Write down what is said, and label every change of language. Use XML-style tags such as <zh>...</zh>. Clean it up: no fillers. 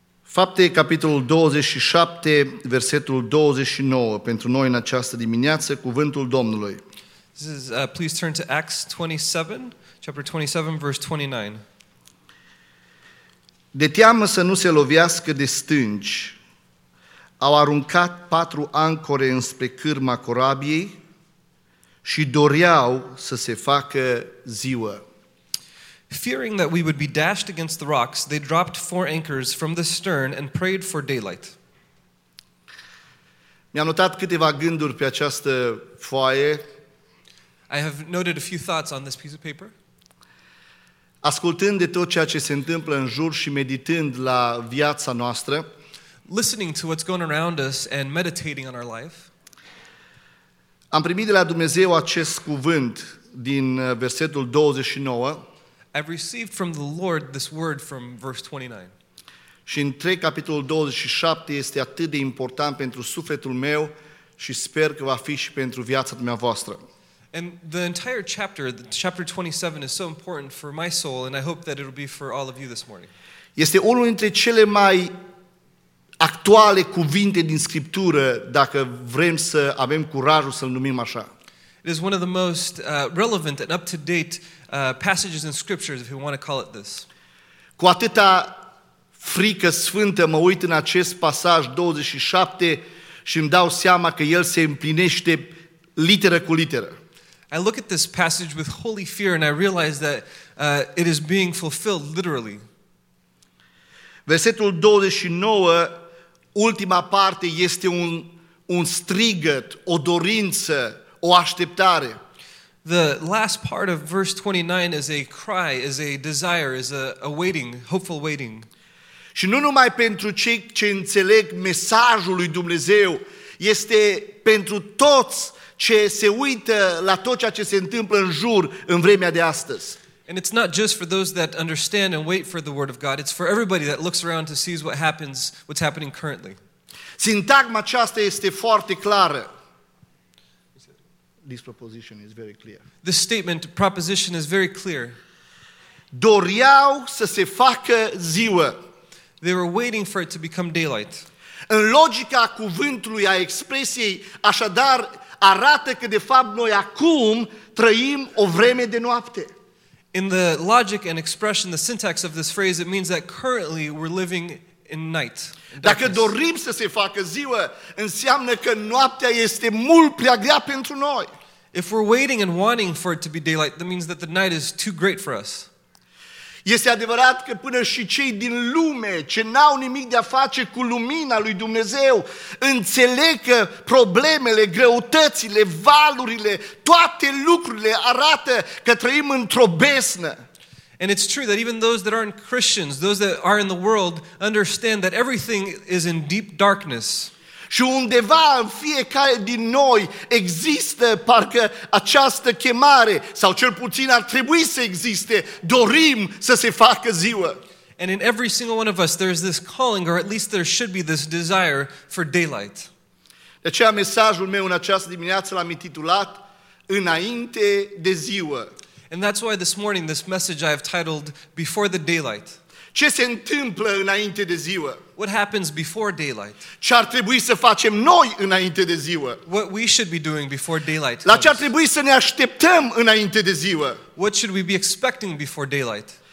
<ro>Fapte, capitolul 27, versetul 29, pentru noi în această dimineață, cuvântul Domnului.</ro> <en>Please turn to Acts 27, chapter 27, verse 29.</en> <ro>De teamă să nu se lovească de stânci, au aruncat patru ancore înspre cârma corabiei și doreau să se facă ziua.</ro> <en>Fearing that we would be dashed against the rocks, they dropped four anchors from the stern and prayed for daylight.</en> <ro>Mi-am notat câteva gânduri pe această foaie.</ro> <en>I have noted a few thoughts on this piece of paper.</en> <ro>Ascultând de tot ceea ce se întâmplă în jur și meditând la viața noastră,</ro> <en>listening to what's going around us and meditating on our life,</en> <ro>am primit de la Dumnezeu acest cuvânt din versetul 29.</ro> <en>I've received from the Lord this word from verse 29.</en> <ro>Și în 3, capitolul 27 este atât de important pentru sufletul meu și sper că va fi și pentru viața dumneavoastră.</ro> <en>And the entire chapter, chapter 27, is so important for my soul and I hope that it will be for all of you this morning.</en> <ro>Este unul dintre cele mai actuale cuvinte din Scriptură, dacă vrem să avem curajul să-l numim așa.</ro> <en>It is one of the most relevant and up-to-date passages in scriptures, if you want to call it this.</en> <ro>Cu atâta frică sfântă mă uit în acest pasaj 27 și îmi dau seama că el se împlinește literă cu literă.</ro> <en>I look at this passage with holy fear and I realize that it is being fulfilled literally.</en> <ro>Versetul 29, ultima parte, este un strigăt, o dorință, o așteptare.</ro> <en>The last part of verse 29 is a cry, is a desire, is a waiting, hopeful waiting.</en> <ro>Și nu numai pentru cei ce înțeleg mesajul lui Dumnezeu, este pentru toți ce se uită la tot ceea ce se întâmplă în jur în vremea de astăzi.</ro> <en>And it's not just for those that understand and wait for the word of God, it's for everybody that looks around to see what happens, what's happening currently.</en> <ro>Sintagma aceasta este foarte clară.</ro> <en>This proposition is very clear. The statement proposition is very clear.</en> <ro>Doreau să se facă ziua.</ro> <en>They were waiting for it to become daylight.</en> <ro>În logica cuvântului, a expresiei, așadar arată că de fapt noi acum trăim o vreme de noapte.</ro> <en>In the logic and expression, the syntax of this phrase, it means that currently we're living in night.</en> <ro>Dacă dorim să se facă ziua, înseamnă că noaptea este mult prea grea pentru noi.</ro> <en>If we're waiting and wanting for it to be daylight, that means that the night is too great for us.</en> <ro>Este adevărat că până și cei din lume, ce n-au nimic de a face cu lumina lui Dumnezeu, înțeleg că problemele, greutățile, valurile, toate lucrurile arată că trăim într-o besnă.</ro> <en>And it's true that even those that aren't Christians, those that are in the world, understand that everything is in deep darkness.</en> <ro>Și undeva în fiecare din noi există parcă această chemare, sau cel puțin ar trebui să existe, dorim să se facă ziua.</ro> <en>And in every single one of us there is this calling, or at least there should be this desire for daylight.</en> <ro>De aceea mesajul meu în această dimineață l-am intitulat Înainte de ziua.</ro> <en>And that's why this morning this message I have titled Before the Daylight.</en> <ro>Ce se întâmplă înainte de ziua?</ro> <en>What happens before daylight?</en> <ro>Ce ar trebui să facem noi înainte de ziua?</ro> <en>What we should be doing before daylight?</en> <ro>La ce ar trebui să ne așteptăm înainte de ziua?</ro> <en>What should we be expecting before daylight?</en>